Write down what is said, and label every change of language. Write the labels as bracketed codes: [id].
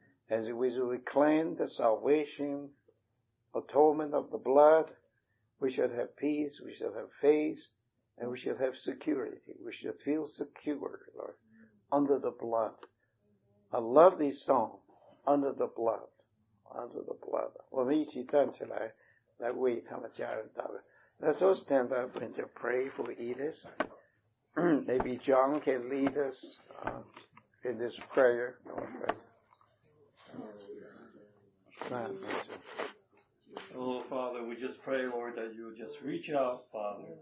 [en] As we reclaim the salvation, atonement of the blood, we should have peace, we should have faith, and we should have security. We should feel secure, Lord, under the blood. I love this song, Under the Blood, Under the Blood. [zh] 我们一起站起来来为他们家人祷告。 [en] Let's all stand up and just pray for Edith. Maybe John can lead us in this prayer. Oh, Father, we just pray, Lord, that you just reach out, Father.